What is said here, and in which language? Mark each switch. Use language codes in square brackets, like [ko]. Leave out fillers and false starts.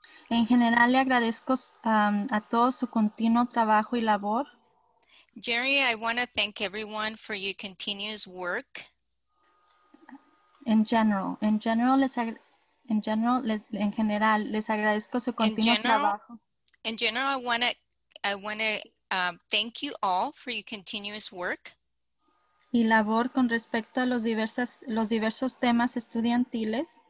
[es] En general, le agradezco a todos su continuo trabajo y labor. [en] Jerry, I want to thank everyone for your continuous work. In general, I want to thank you all for your continuous work. [es] Y labor con respecto a los diversos temas estudiantiles.